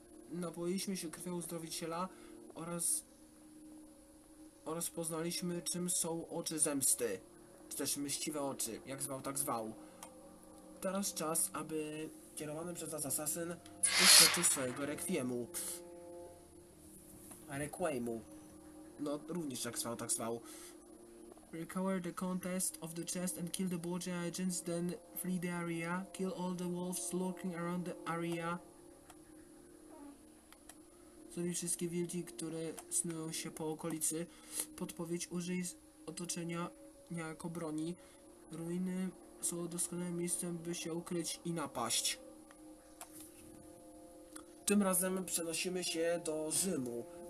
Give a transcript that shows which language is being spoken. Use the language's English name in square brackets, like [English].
[Polish] Napoiliśmy się krwią uzdrowiciela oraz poznaliśmy, czym są oczy zemsty. Czy też mściwe oczy, jak zwał, tak zwał. Teraz czas, aby kierowany przez nas asasyn uszczęścił swojego rekwiemu. Requiemu. No, również jak zwał, tak zwał. [English] Recover the contest of the chest and kill the Borgia agents, then flee the area, kill all the wolves lurking around the area. [Polish] Zabij wszystkie wilki, które snują się po okolicy. Podpowiedź, użyj otoczenia jako broni. Ruiny są doskonałym miejscem, by się ukryć i napaść. Tym razem przenosimy się do Rzymu.